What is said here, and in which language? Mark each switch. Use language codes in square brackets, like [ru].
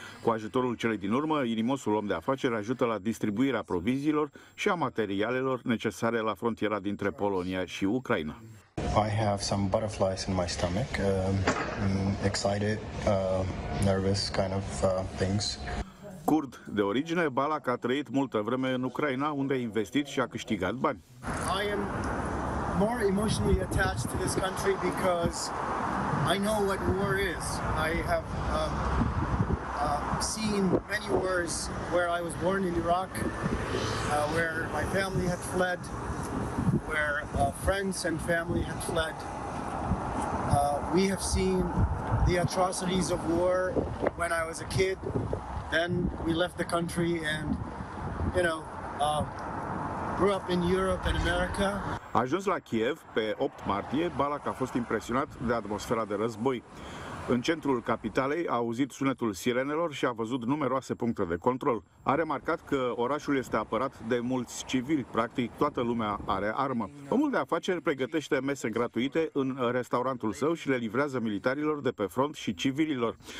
[ro] Cu ajutorul celei din urmă, inimosul om de afaceri ajută la distribuirea proviziilor și a materialelor necesare la frontiera dintre Polonia și Ucraina. [en] I have some butterflies in my stomach, excited, nervous kind of things. [ro] Kurd de origine, Balak a trăit multă vreme în Ucraina, unde a investit și a câștigat bani. [en] I am more emotionally attached to this country because I know what war is. I have seen many wars where I was born in Iraq, where my family had fled, where friends and family had fled. We have seen the atrocities of war when I was a kid. Then we left the country and, you know, grew up in Europe and America. [ro] Ajuns la Kiev pe 8 martie, Balak a fost impresionat de atmosfera de război. În centrul capitalei a auzit sunetul sirenelor și a văzut numeroase puncte de control. A remarcat că orașul este apărat de mulți civili, practic toată lumea are armă. Omul de afaceri pregătește mese gratuite în restaurantul său și le livrează militarilor de pe front și civililor.